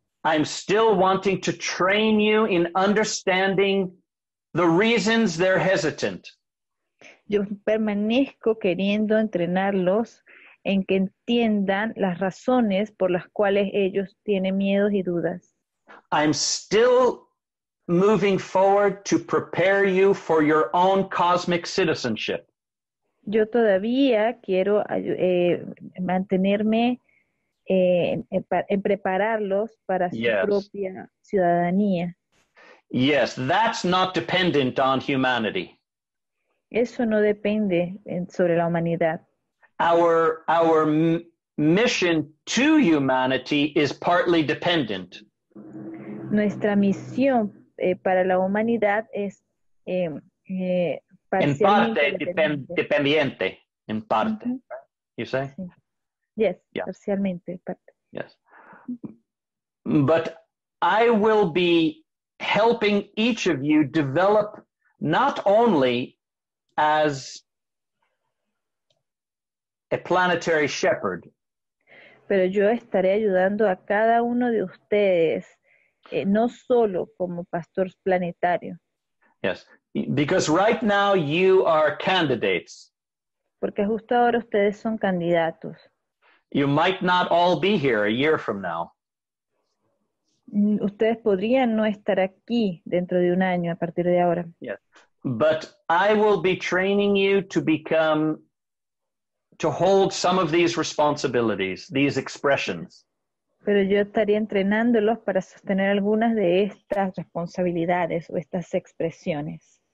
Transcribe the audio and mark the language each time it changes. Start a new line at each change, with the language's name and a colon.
English: I'm still wanting to train you in understanding the reasons they're hesitant.
Spanish: Yo permanezco queriendo entrenarlos en que entiendan las razones por las cuales ellos tienen miedos y dudas.
English: I'm still moving forward to prepare you for your own cosmic citizenship.
Spanish: Yo todavía quiero mantenerme en prepararlos para su yes. propia ciudadanía.
English: Yes, that's not dependent on humanity.
Spanish: Eso no depende sobre la humanidad.
English: Our mission to humanity is partly dependent.
Spanish: Nuestra misión para la humanidad es parcialmente dependiente. En parte. Mm-hmm.
English: You say?
Spanish: Yes, yeah. Parcialmente. Parte.
English: Yes. But I will be helping each of you develop not only as a planetary shepherd.
Spanish: Pero yo estaré ayudando a cada uno de ustedes, no solo como pastor planetario.
English: Yes, because right now you are candidates.
Spanish: Porque justo ahora ustedes son candidatos.
English: You might not all be here a year from now.
Spanish: Ustedes podrían no estar aquí dentro de un año a partir de ahora.
English: Yes, but I will be training you to become to hold some of these responsibilities, these expressions.
Spanish: Pero yo estaría entrenándolos para sostener algunas de estas responsabilidades o estas expresiones.